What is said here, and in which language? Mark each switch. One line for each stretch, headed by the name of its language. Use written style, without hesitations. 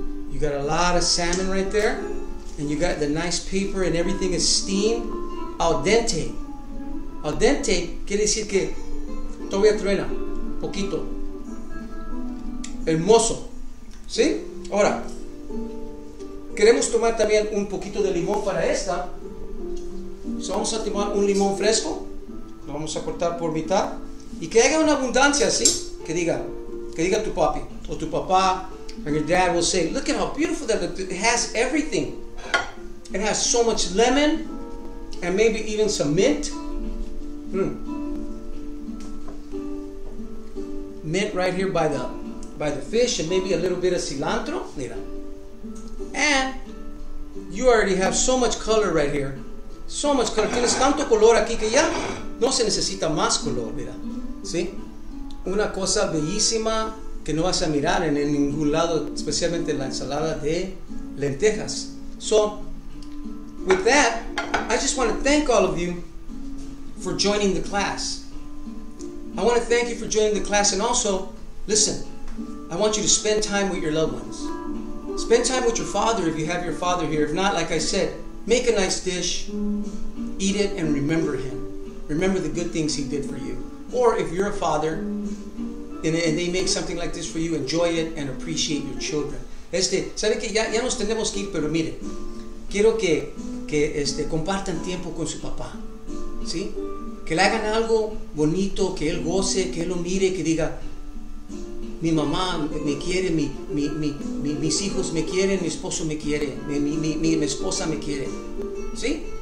English: You got a lot of salmon right there, and you got the nice paper, and everything is steamed al dente.
Spanish: Al dente quiere decir que todavía truena, poquito. Hermoso, ¿sí? Ahora, queremos tomar también un poquito de limón para esta. So vamos a tomar un limón fresco, lo vamos a cortar por mitad, y que haya una abundancia, ¿sí? Que diga tu papi o tu papá.
English: And your dad will say, look at how beautiful that looks. It has everything. It has so much lemon and maybe even some mint. Mint right here by the fish and maybe a little bit of cilantro. Mira. And you already have so much color right here. So much color.
Spanish: Tienes tanto color aquí que ya no se necesita más color. Mira. ¿Sí? Una cosa bellísima. que no vas a mirar en ningún lado, especialmente en la ensalada de lentejas.
English: So, with that, I just want to thank all of you for joining the class. I want to thank you for joining the class, and also, listen, I want you to spend time with your loved ones. Spend time with your father if you have your father here. If not, like I said, make a nice dish, eat it, and remember him. Remember the good things he did for you. Or if you're a father, and they make something like this for you, enjoy it and appreciate your children.
Spanish: ¿Sabe que ya nos tenemos que ir? Pero mire, quiero que compartan tiempo con su papá. ¿Sí? Que le hagan algo bonito, que él goce, que él lo mire, que diga, mi mamá me quiere, mis hijos me quieren, mi esposo me quiere, mi esposa me quiere. ¿Sí?